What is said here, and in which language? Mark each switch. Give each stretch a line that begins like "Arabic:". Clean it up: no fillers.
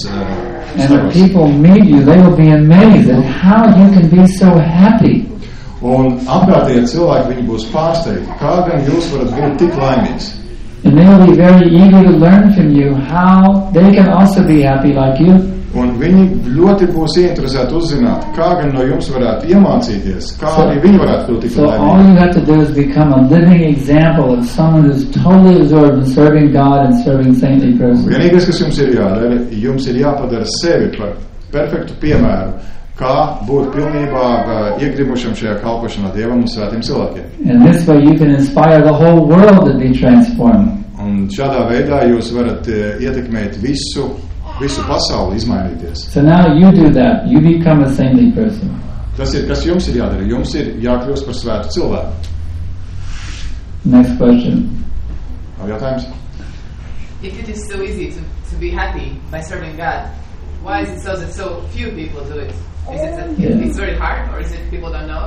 English: And the people meet you, they will be amazed at how you can be so happy.
Latvian: Un apkārtie cilvēki, viņi būs pārsteigti, kā gan jūs varat būt tik laimīgs.
English: And they will be very eager to learn from you how they can also be happy like you.
Latvian: Un viņi ļoti būs ieinteresēti uzzināt, kā gan no jums varētu iemācīties, kā so, arī viņi varētu būt tik so laimīgi.
English: So all you have to do is become a living example of someone who's totally absorbed in serving God and serving saintly persons.
Latvian: Vienīgais, kas jums ir jādara, jums ir jāpadara sevi par perfektu piemēru, kā būt pilnībā iegrimušam šajā kalpošanā Dievam un svētiem cilvēkiem.
English: And this way you can inspire the whole world to be transformed.
Latvian: Un šādā veidā jūs varat ietekmēt visu pasauli, izmainīties.
English: So now you do that, you become a saintly person.
Latvian: Tas ir, kas jums ir jādara, jums ir jākļūst par svētu cilvēku.
English: Next question.
Latvian: Vēl jautājums?
English: If it is so easy to be happy by serving God, why is it so that so few people do it? Is it that it's very hard, or is it people don't know